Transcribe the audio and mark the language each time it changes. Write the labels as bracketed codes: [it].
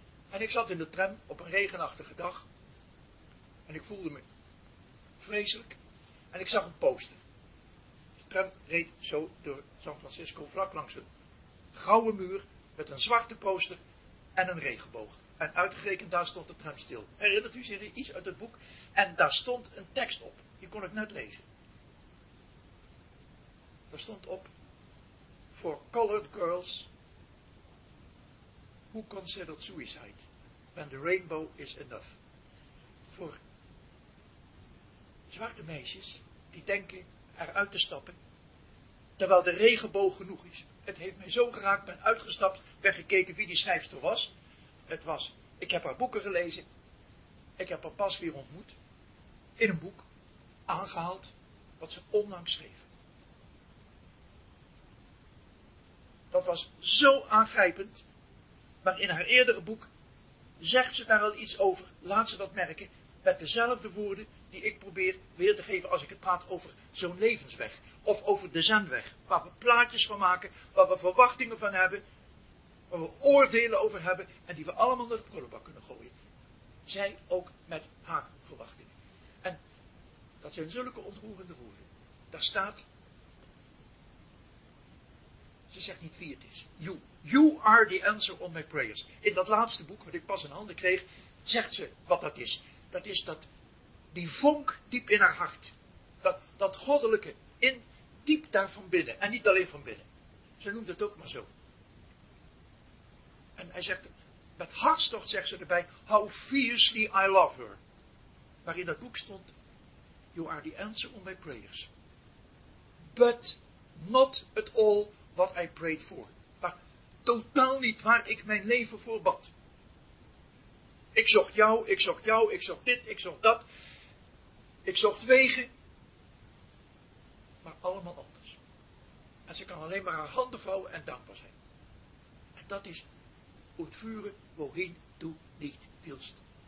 [nl] En ik zat in de tram op een regenachtige dag en ik voelde me vreselijk en ik zag een poster. De tram reed zo door San Francisco vlak langs een gouden muur met een zwarte poster en een regenboog. En uitgerekend daar stond de tram stil. Herinnert u zich iets uit het boek? En daar stond een tekst op. Die kon ik net lezen. Daar stond op: [en] For colored girls who considered suicide when the rainbow is enough. [nl] Voor zwarte meisjes die denken eruit te stappen terwijl de regenboog genoeg is. Het heeft mij zo geraakt. Ben uitgestapt. Ben gekeken wie die schrijfster was. Het was, ik heb haar boeken gelezen. Ik heb haar pas weer ontmoet. In een boek aangehaald wat ze onlangs schreef. Dat was zo aangrijpend. Maar in haar eerdere boek zegt ze daar al iets over. Laat ze dat merken met dezelfde woorden die ik probeer weer te geven als ik het praat over zo'n levensweg. Of over de zenweg. Waar we plaatjes van maken. Waar we verwachtingen van hebben. Waar we oordelen over hebben. En die we allemaal naar de prullenbak kunnen gooien. Zij ook met haar verwachtingen. Dat zijn zulke ontroerende woorden. Daar staat, ze zegt niet wie het is. [en] You. You are the answer on my prayers. [nl] In dat laatste boek, wat ik pas in handen kreeg, zegt ze wat dat is. Dat is dat, die vonk diep in haar hart. Dat goddelijke, in diep daar van binnen. En niet alleen van binnen. Ze noemt het ook maar zo. En hij zegt, met hartstocht zegt ze erbij, [en] how fiercely I love her. [nl] Maar in dat boek stond, [en] you are the answer on my prayers. But not at all what I prayed for. [nl] Maar totaal niet waar ik mijn leven voor bad. Ik zocht jou, ik zocht jou, ik zocht dit, ik zocht dat. Ik zocht wegen. Maar allemaal anders. En ze kan alleen maar haar handen vouwen en dankbaar zijn. En dat is ontvuren [de] wohin du nicht willst.